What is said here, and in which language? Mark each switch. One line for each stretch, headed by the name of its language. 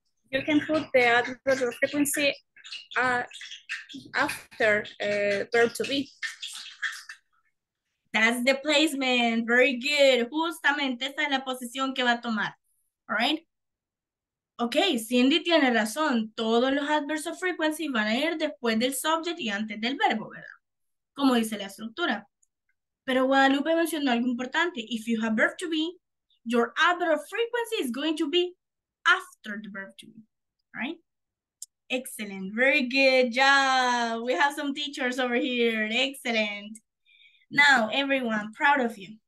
English: You can put the adverb of frequency after verb to be. That's the placement. Very good.
Spanish: Justamente esa es la posición que va a tomar.
English: All right?
Spanish: Okay, Cindy tiene razón. Todos los adverbs of frequency van a ir después del subject y antes del verbo, ¿verdad? Como dice la estructura. Pero Guadalupe mencionó algo importante.
English: If you have verb to be, your adverb of frequency is going to be after the verb to be. Right? Excellent. Very good job. We have some teachers over here. Excellent. Now, everyone, proud of you.